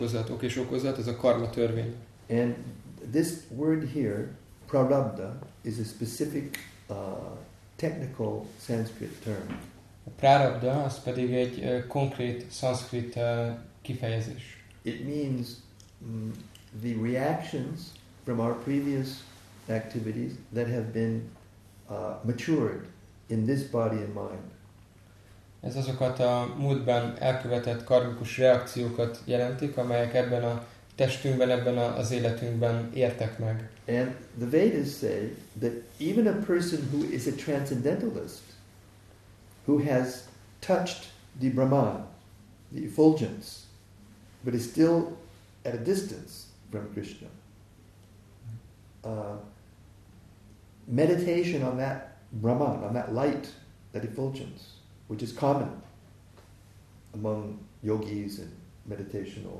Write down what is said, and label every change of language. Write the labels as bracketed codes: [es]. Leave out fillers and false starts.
[hu] Okés okozat, ez a karma törvény. [en] And this word here, prarabdha, is a specific technical Sanskrit term. [hu] A prarabdha, az pedig egy konkrét Sanskrit kifejezés. [en] It means the reactions from our previous activities that have been matured in this body and mind. [hu] Ez azokat a múltban elkövetett karmikus reakciókat jelentik, amelyek ebben a testünkben, ebben az életünkben értek meg. [en] And the Vedas say that even a person who is a transcendentalist, who has touched the Brahman, the effulgence, but is still at a distance from Krishna, meditation on that Brahman, on that light, that effulgence, which is common among yogis and meditators,